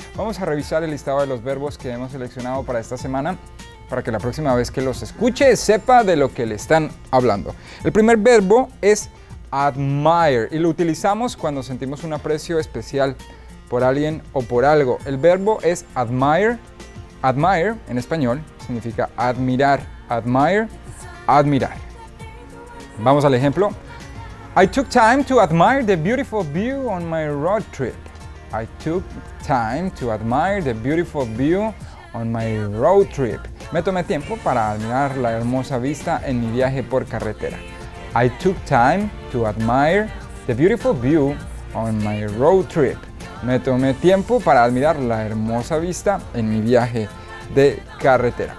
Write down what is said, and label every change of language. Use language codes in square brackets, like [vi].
[es] Vamos a revisar el listado de los verbos que hemos seleccionado para esta semana, para que la próxima vez que los escuche sepa de lo que le están hablando. El primer verbo es admire y lo utilizamos cuando sentimos un aprecio especial por alguien o por algo. El verbo es admire. Admire en español significa admirar. Admire, admirar. Vamos al ejemplo. [en] I took time to admire the beautiful view on my road trip. I took time to admire the beautiful view on my road trip. [es] Me tomé tiempo para admirar la hermosa vista en mi viaje por carretera. [en] I took time to admire the beautiful view on my road trip. [es] Me tomé tiempo para admirar la hermosa vista en mi viaje de carretera.